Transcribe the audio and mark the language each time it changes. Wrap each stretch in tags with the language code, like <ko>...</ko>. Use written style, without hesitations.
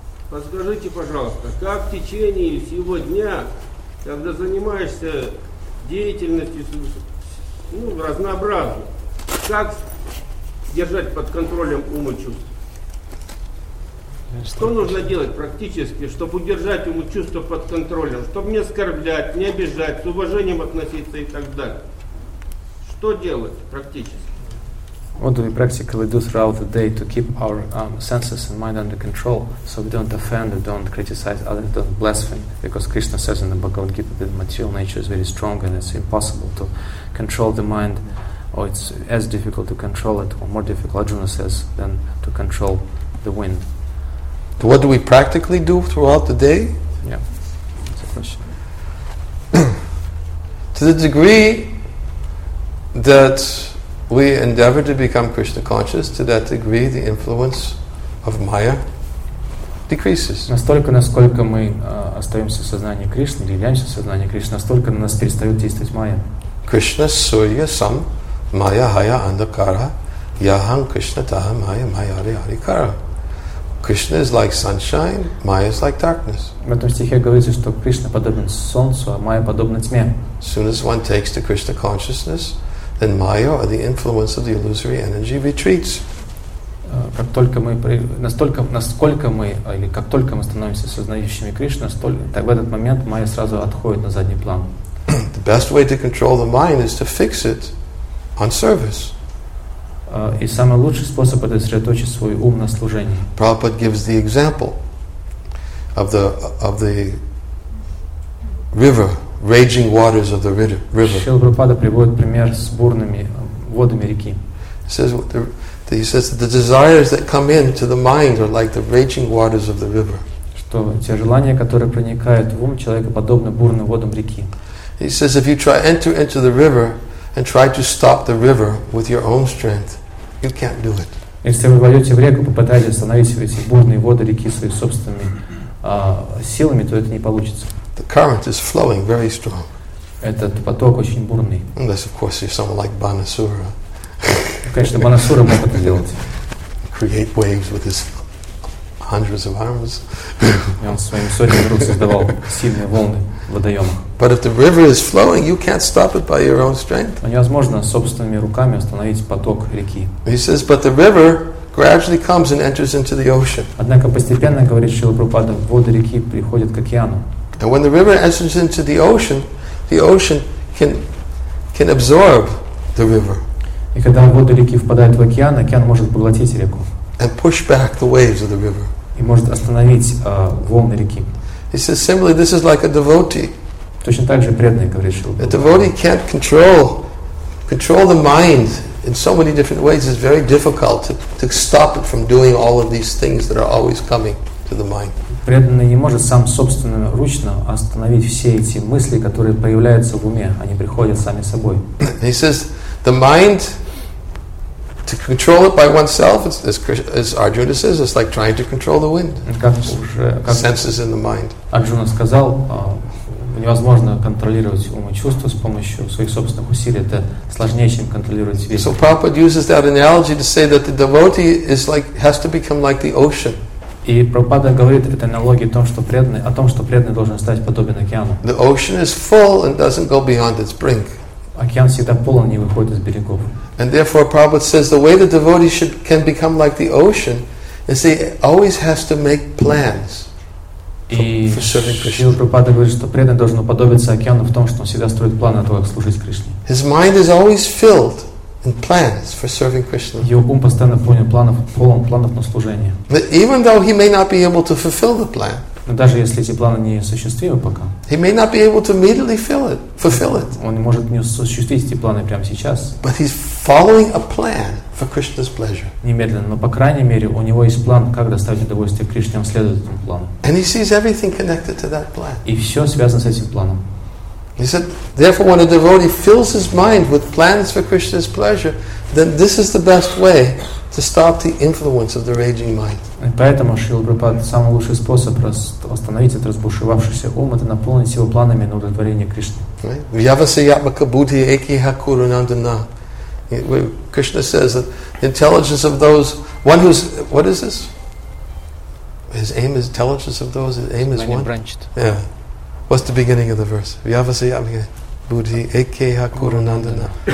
<ru>Подскажите, пожалуйста, как в течение всего дня, когда занимаешься деятельностью, ну, разнообразно, как держать под контролем ум и чувства? Что нужно делать практически, чтобы удержать ум и чувства под контролем, чтобы не оскорблять, не обижать, с уважением относиться и так далее? Что делать практически?</ru> <en>What do we practically do throughout the day to keep our senses and mind under control so we don't offend or don't criticize others, don't blaspheme? Because Krishna says in the Bhagavad Gita that the material nature is very strong and it's impossible to control the mind, or it's as difficult to control it, or more difficult, Arjuna says, than to control the wind. So what do we practically do throughout the day? Yeah, that's a question. To the degree that we endeavor to become Krishna conscious, to that degree the influence of Maya decreases.</en> <ru>Настолько, насколько мы остаемся в сознании Кришны, являемся в сознании Кришны, настолько на нас перестает действовать Майя.</ru> <sa>Krishna Surya Sam Maya Haya Andhakara Yaham Krishna Taha Maya Maya Hari Hari Kara.</sa> <en>Krishna is like sunshine, Maya is like darkness.</en> <ru>В этом стихе говорится, что Кришна подобен солнцу, а Майя подобна тьме.</ru> <en>Soon as one takes to Krishna consciousness, then Maya, or the influence of the illusory energy, retreats.</en> <ru>Как только мы настолько, насколько мы, или как только мы становимся сознающими Кришну, так в этот момент Майя сразу отходит на задний план.</ru> <en>The best way to control the mind is to fix it on service.</en> <ru>И самый лучший способ это сосредоточить свой ум на служении.</ru> <en>Prabhupada gives the example of the river. Raging waters of the river.</en> <ru>Шрила Прабхупада приводит пример с бурными водами реки.</ru> <en>He says that the desires that come into the mind are like the raging waters of the river.</en> <ru>Что те желания, которые проникают в ум человека, подобны бурным водам реки.</ru> <en>He says, if you try enter into the river and try to stop the river with your own strength, you can't do it.</en> <ru>Если вы войдете в реку, попытаетесь остановить эти бурные воды реки своими собственными силами, то это не получится.</ru> <en>The current is flowing very strong.</en> <ru>Этот поток очень бурный.</ru> <en>Unless, of course, you're someone like Banasura.</en> <ru>Конечно, Банасура мог это сделать.</ru> <en>Create waves with his hundreds of arms.</en> <ru>Он своими сотнями рук создавал сильные волны в водоемах.</ru> <en>But if the river is flowing, you can't stop it by your own strength.</en> <ru>Невозможно собственными руками остановить поток реки.</ru> <en>He says, but the river gradually comes and enters into the ocean.</en> <ru>Однако постепенно, говорит Шрила Прабхупада, воды реки приходят к океану.</ru> <en>And when the river enters into the ocean can absorb the river.</en> <ru>И когда воды реки впадают в океан, океан может поглотить реку.</ru> <en>And push back the waves of the river.</en> <ru>И может остановить волны реки.</ru> <en>He says, similarly, this is like a devotee.</en> <ru>Точно так же преданный, говорит Шрила Прабхупада.</ru> <en>A devotee can't control the mind in so many different ways. It's very difficult to stop it from doing all of these things that are always coming to the mind.</en> <ru>Преданный не может сам собственноручно остановить все эти мысли, которые появляются в уме. Они приходят сами собой.</ru> <en>He says, the mind, to control it by oneself, as Arjuna says, it's like trying to control the wind.</en> <ru>Как</ru> <en>senses in the mind.</en> <ru>Арджуна сказал, невозможно контролировать ум и чувства с помощью своих собственных усилий. Это сложнее, чем контролировать ветер.</ru> <en>So Prabhupada uses that analogy to say that the devotee is like, has to become like the ocean.</en> <ru>И Прабхупада говорит в этой аналогии о том, что преданный должен стать подобен океану.</ru> <en>The ocean is full and doesn't go beyond its brink.</en> <ru>Океан всегда полон, не выходит из берегов.</ru> <en>And therefore Prabhupada says the way the devotee can become like the ocean is he always has to make plans.</en> <ru>И Шрила Прабхупада говорит, что преданный должен уподобиться океану в том, что он всегда строит планы на то, как служить Кришне.</ru> <en>His mind is always filled in plans for serving Krishna.</en> <ru>Его ум постоянно полон планов на служение.</ru> <en>But even though he may not be able to fulfill the plan,</en> <ru>но даже если эти планы не осуществимы пока,</ru> <en>he may not be able to immediately fulfill it.</en> <ru>Он не может не осуществить эти планы прямо сейчас.</ru> <en>But he's following a plan for Krishna's pleasure.</en> <ru>Немедленно, но по крайней мере у него есть план, как доставить удовольствие Кришне, он следует этому плану.</ru> <en>And he sees everything connected to that plan.</en> <ru>И все связано с этим планом.</ru> <en>He said, therefore, when a devotee fills his mind with plans for Krishna's pleasure, then this is the best way to stop the influence of the raging mind.</en> <ru>И поэтому Шрила Прабхупада самый лучший способ остановить этот разбушевавшийся ум — это наполнить его планами на удовлетворение Кришны.</ru> <sa>Vyavasayatmaka buddhi eki hakuru nandana.</sa> <en>Krishna says that the intelligence of those one who's what is this? His aim is intelligence of those. His aim is one. Branched. Yeah. What's the beginning of the verse?</en> <sa>Vyavasayatmaka buddhi eki hakuru nandana.</sa>